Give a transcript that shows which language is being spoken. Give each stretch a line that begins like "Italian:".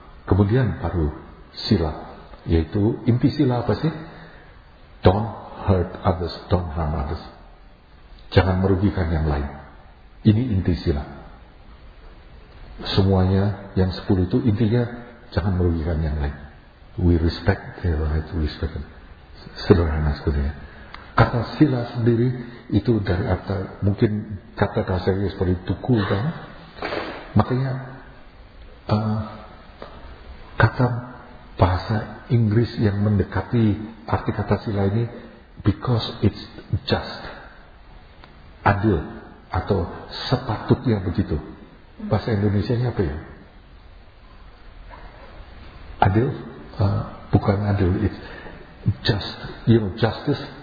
Indonesian: Kemudian baru sila, yaitu inti sila apa sih?
English: Don't hurt others, don't harm others.
Indonesian: Jangan merugikan yang lain. Ini inti sila. Semuanya yang 10 itu intinya jangan merugikan yang lain.
English: We respect their right to respect them.
Indonesian: Sederhana sebenarnya. Kata sila sendiri itu dari arti mungkin kata dasarnya seperti tukul kan? Makanya kata bahasa Inggris yang mendekati arti kata sila ini,
English: because it's just,
Indonesian: adil, atau sepatutnya begitu. Bahasa Indonesianya apa ya? Adil? Bukan adil,
English: it's just, you know, justice.